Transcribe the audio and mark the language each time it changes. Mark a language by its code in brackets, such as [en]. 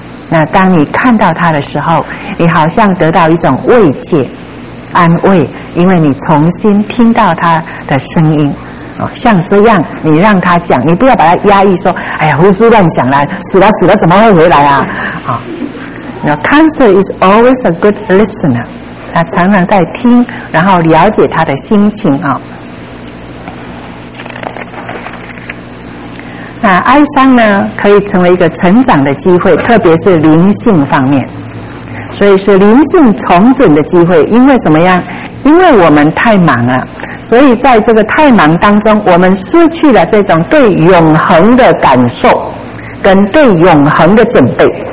[zh] 那当你看到他的时候，你好像得到一种慰藉安慰，因为你重新听到他的声音啊，像这样你让他讲，你不要把他压抑说哎呀胡思乱想啦，死了死了怎么会回来啊啊。 [en] Now, counselor is always a good listener. [zh] 他常常在听，然后了解他的心情啊。那哀伤呢，可以成为一个成长的机会，特别是灵性方面。所以是灵性重整的机会。因为怎么样？因为我们太忙了，所以在这个太忙当中，我们失去了这种对永恒的感受，跟对永恒的准备。